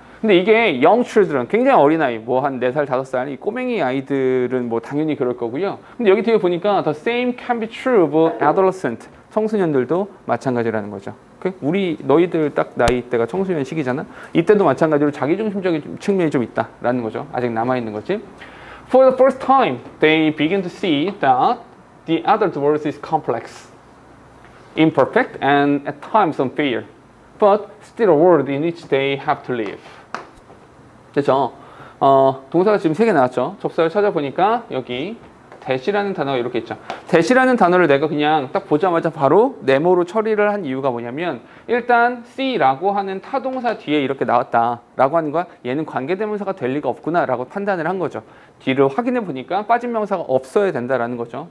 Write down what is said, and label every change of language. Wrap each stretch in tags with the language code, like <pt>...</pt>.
<ko>근데 이게</ko> <en>young children,</en> <ko>굉장히 어린아이, 뭐 한 4살, 5살, 이 꼬맹이 아이들은 뭐 당연히 그럴 거고요. 근데 여기 뒤에 보니까</ko> <en>the same can be true of adolescent,</en> <ko>청소년들도 마찬가지라는 거죠. 우리 너희들 딱 나이 때가 청소년 시기잖아. 이때도 마찬가지로 자기중심적인 측면이 좀 있다라는 거죠. 아직 남아있는 거지.</ko> <en>For the first time, they begin to see that the adult world is complex, imperfect, and at times unfair, but still a world in which they have to live.</en> <ko>그렇죠. 동사가 지금 세 개 나왔죠. 접사를 찾아보니까 여기 that이라는 단어가 이렇게 있죠. that이라는 단어를 내가 그냥 딱 보자마자 바로 네모로 처리를 한 이유가 뭐냐면 일단 see라고 하는 타동사 뒤에 이렇게 나왔다라고 하는 거야. 얘는 관계대명사가 될 리가 없구나라고 판단을 한 거죠. 뒤를 확인해 보니까 빠진 명사가 없어야 된다라는 거죠.</ko>